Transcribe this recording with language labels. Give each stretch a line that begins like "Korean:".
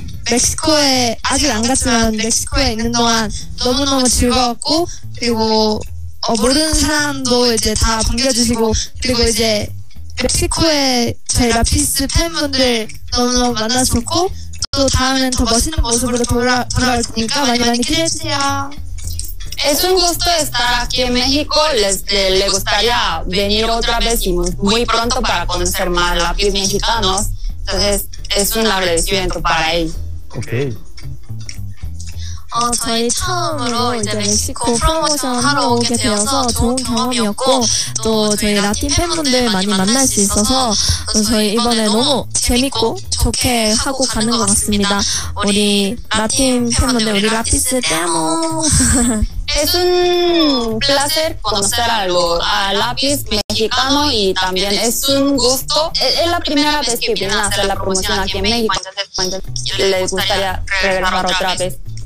Korean: Mexico에 아직 안 갔지만 멕시코에 있는 동안 너무너무 즐거웠고 그리고 모르는 사람도 이제 다 반겨주시고 그리고 이제 멕시코에 저희 라피스 팬분들 너무너무 만나줬고 또 다음엔 더 멋있는 모습으로 돌아올 테니까 많이 많이 기대해주세요.
Spanish: Es un gusto estar aquí en México. Le gustaría venir otra vez y muy pronto para conocer más lápiz mexicanos. Entonces es un agradecimiento para él. Ok.
Korean: 저희 처음으로 이제 멕시코 프로모션 하러 오게 되어서 좋은 경험이었고 또 저희 라틴 팬분들 많이 만날 수 있어서 저희 이번에 너무 재밌고 좋게 하고 가는 것 같습니다. 우리 라틴 팬분들, 우리 라피스 떼모.
Spanish: Es un placer conocer a Lápiz mexicano y también es un gusto. Es la primera vez que vienen a hacer la promoción aquí en México. Les gustaría regresar otra vez.